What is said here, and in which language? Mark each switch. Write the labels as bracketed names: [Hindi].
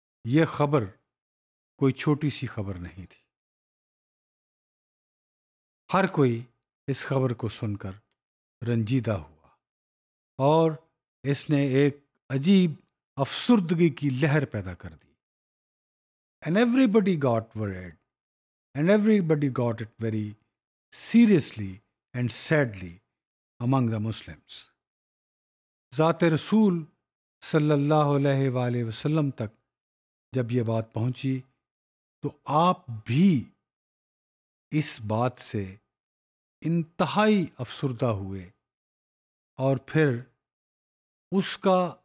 [Urdu] یہ خبر کوئی چھوٹی سی خبر نہیں تھی, ہر کوئی اس خبر کو سن کر رنجیدہ ہوا اور اس نے ایک عجیب افسردگی کی لہر پیدا کر دی. [English] And everybody got word and everybody got it very seriously and sadly among the Muslims. [Urdu] ذات رسول صلی اللہ علیہ وآلہ وسلم تک جب یہ بات پہنچی تو آپ بھی اس بات سے انتہائی افسردہ ہوئے اور پھر اس کا